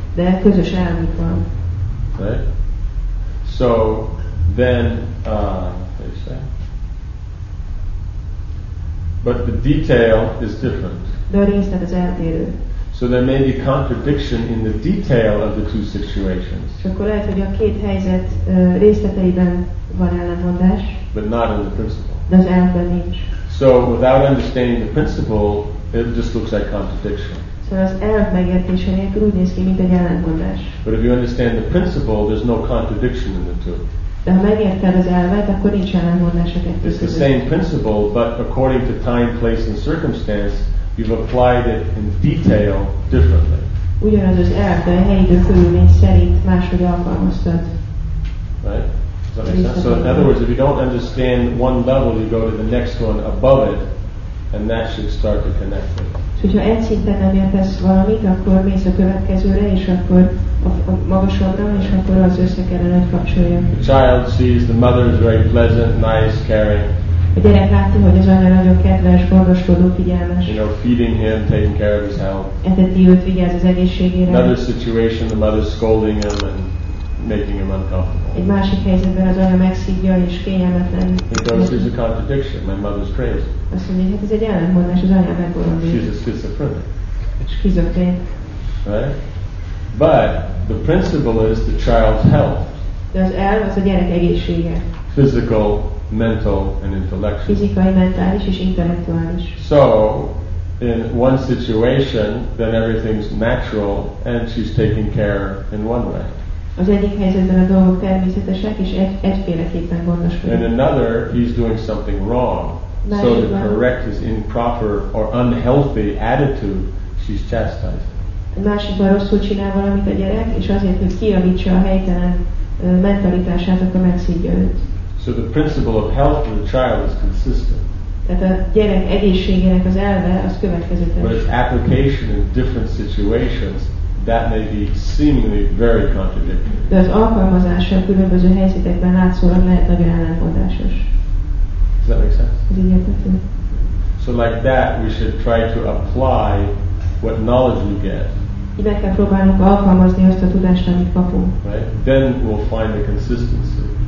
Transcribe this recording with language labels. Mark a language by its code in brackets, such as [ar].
[hu] De közös elvük van. [en] Right. So then, what do you say? But the detail is different. [hu] De a részlet az eltérő. [en] So there may be contradiction in the detail of the two situations. [hu] És akkor lehet, hogy a két helyzet részleteiben van ellentmondás. [en] But not in the principle. [hu] De az elvben nincs. [en] So without understanding the principle, it just looks like contradiction. [hu] So az elv megértése nélkül úgy néz ki, mint egy ellentmondás. [en] But if you understand the principle, there's no contradiction in the two. [hu] De ha megérted az elvet, akkor nincs ellentmondás a kettő. [en] It's the same principle, but according to time, place, and circumstance, you've applied it in detail differently. [hu] Ugyanaz az elv, de a helyi körülmény szerint máshogy alkalmaztad. [en] Right? So in other words, if you don't understand one level, you go to the next one above it, and that should start to connect it. [hu] So ha egy szinten nem értesz valamit, akkor mész a következőre, és akkor a magasabbra, és akkor az össze kellene kapcsolja. [en] The child sees the mother is very pleasant, nice, caring. [hu] A gyerek látja, hogy az anya nagyon kedves, gondoskodó, figyelmes. [en] You know, feeding him, taking care of his health. [hu] Eteti őt, vigyáz az egészségére. [en] Another situation, the mother scolding him and making him uncomfortable. [hu] Egy másik helyzetben az anya megszívja és kényelmetlen. [en] Because there's a contradiction. My mother's crazy. [hu] Azt mondja, hogy ez egy ellentmondás, az anya megbolondult. [en] She's a schizophrenic. [hu] Schizofrén. [en] Right? But the principle is the child's health. [hu] De az elv az a gyerek egészsége. [en] Physical, mental, and intellectual. [hu] Fizikai, mentális és intellektuális. [en] So, in one situation, then everything's natural, and she's taking care in one way. [hu] Az egyik helyzetben a dolgok természetesek, és egyféleképpen gondoskodik. [en] In another, he's doing something wrong. [hu] Más [en] so to correct his improper or unhealthy attitude, she's chastising. [hu] Másikban rosszul csinál valamit a gyerek, és azért, hogy kiavítsa a helytelen mentalitását, akkor megszívja őt. [en] So the principle of health for the child is consistent. [hu] Tehát a gyerek egészségének az elve az következetes. [en] But its application in different situations, that may be seemingly very contradictory. [hu] De az alkalmazása a különböző helyzetekben látszólag lehet nagyon ellentmondásos. [en] Does that make sense? So like that, we should try to apply what knowledge we get. [hu] Ide kell próbálnunk alkalmazni azt a tudást, amit kapunk. [en] Right? Then we'll find the consistency.